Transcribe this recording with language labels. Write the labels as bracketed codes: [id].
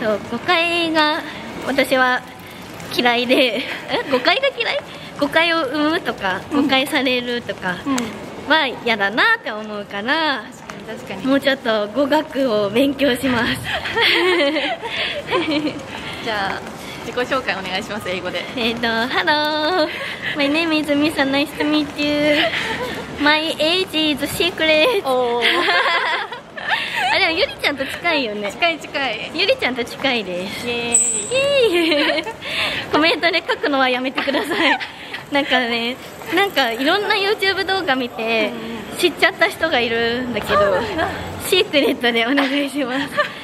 [ja] そう誤解が私は嫌いで誤解が嫌い誤解を生むとか誤解されるとかは嫌だなって思うから、確かに確かに、もうちょっと語学を勉強します。じゃあ自己紹介お願いします、英語で。 [en] ハロー、 My name is Misa, nice to meet you. My age is secret. [ja] おあ、でもゆりちゃんと近いよね。近い近い、ゆりちゃんと近いです。イエーイ。コメントで書くのはやめてください。なんかね、なんかいろんな YouTube 動画見て知っちゃった人がいるんだけど、シークレットでお願いします。